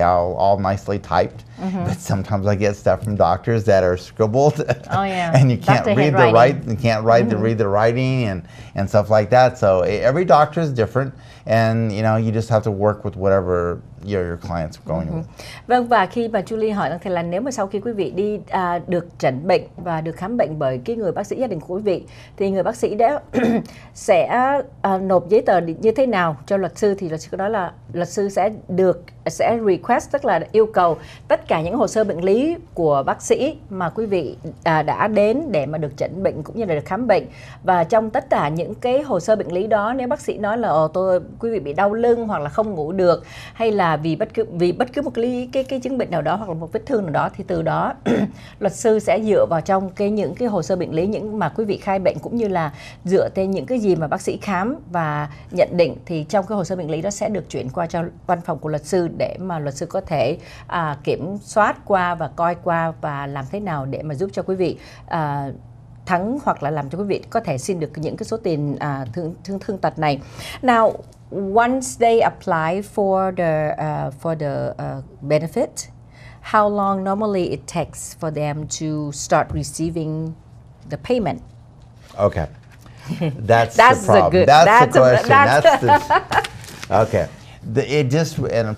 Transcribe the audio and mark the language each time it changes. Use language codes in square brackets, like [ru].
[en] They are all nicely typed, mm-hmm. but sometimes I get stuff from doctors that are scribbled. Oh yeah, and you can't read the writing. Read the writing and stuff like that. So every doctor is different, and you know you just have to work with whatever your clients are going mm-hmm. with. [vi] Vâng, và khi mà Julie hỏi rằng thì là nếu mà sau khi quý vị đi được chẩn bệnh và được khám bệnh bởi cái người bác sĩ gia đình của quý vị thì người bác sĩ đã sẽ nộp giấy tờ như thế nào cho luật sư, thì luật sư nói là luật sư sẽ request, tức là yêu cầu tất cả những hồ sơ bệnh lý của bác sĩ mà quý vị đã đến để mà được chẩn bệnh cũng như là được khám bệnh. Và trong tất cả những cái hồ sơ bệnh lý đó, nếu bác sĩ nói là quý vị bị đau lưng hoặc là không ngủ được, hay là vì bất cứ một cái chứng bệnh nào đó hoặc là một vết thương nào đó, thì từ đó luật sư sẽ dựa vào trong những hồ sơ bệnh lý những mà quý vị khai bệnh cũng như là dựa trên những cái gì mà bác sĩ khám và nhận định, thì trong cái hồ sơ bệnh lý đó sẽ được chuyển qua cho văn phòng của luật sư để mà luật sư có thể kiểm soát qua và coi qua và làm thế nào để mà giúp cho quý vị thắng hoặc là làm cho quý vị có thể xin được những cái số tiền thương tật này. [en] Now, once they apply for the benefit, how long normally it takes for them to start receiving the payment? Okay. That's the question. Okay.